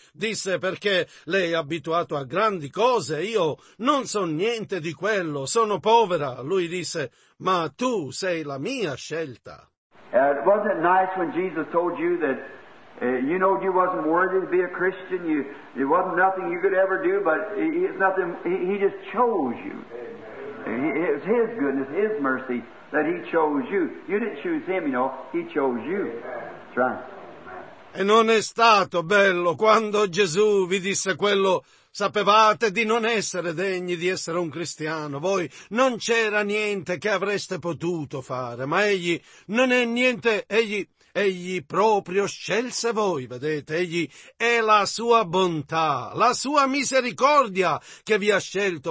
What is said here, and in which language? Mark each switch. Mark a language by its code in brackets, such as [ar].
[it] Disse, perché lei è abituato a grandi cose, io non so niente di quello, sono povera. Lui disse, ma tu sei la mia scelta. [en] Wasn't it nice when Jesus told you that you know you wasn't worthy to be a Christian, it wasn't nothing you could ever do, but he just chose you. It was His goodness, His mercy, that He chose you. You didn't choose Him, you know, He chose you. That's right. [it] E non è stato bello quando Gesù vi disse quello, sapevate di non essere degni di essere un cristiano, voi non c'era niente che avreste potuto fare, ma Egli non è niente, Egli proprio scelse voi, vedete, Egli è la sua bontà, la sua misericordia che vi ha scelto.